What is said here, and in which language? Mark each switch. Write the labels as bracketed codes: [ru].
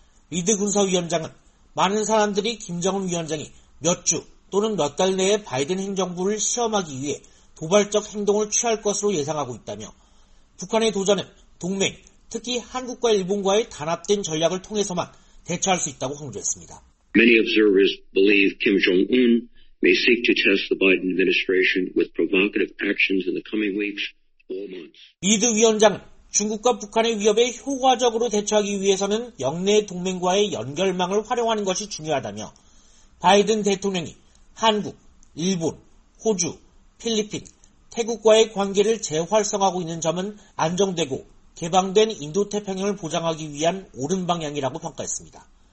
[ko] 리드 군사위원장은 많은 사람들이 김정은 위원장이 몇 주 또는 몇 달 내에 바이든 행정부를 시험하기 위해 도발적 행동을 취할 것으로 예상하고 있다며 북한의 도전은 동맹, 특히 한국과 일본과의 단합된 전략을 통해서만 대처할 수 있다고 강조했습니다. [en] Many observers believe Kim Jong-un may seek to test the Biden administration with provocative actions in the coming weeks or months. [ko] 리드 위원장은 중국과 북한의 위협에 효과적으로 대처하기 위해서는 영내 동맹과의 연결망을 활용하는 것이 중요하다며 바이든 대통령이 한국, 일본, 호주, 필리핀, 태국과의 관계를 재활성하고 있는 점은 안정되고 개방된 인도태평양을 보장하기 위한 옳은 방향이라고 평가했습니다.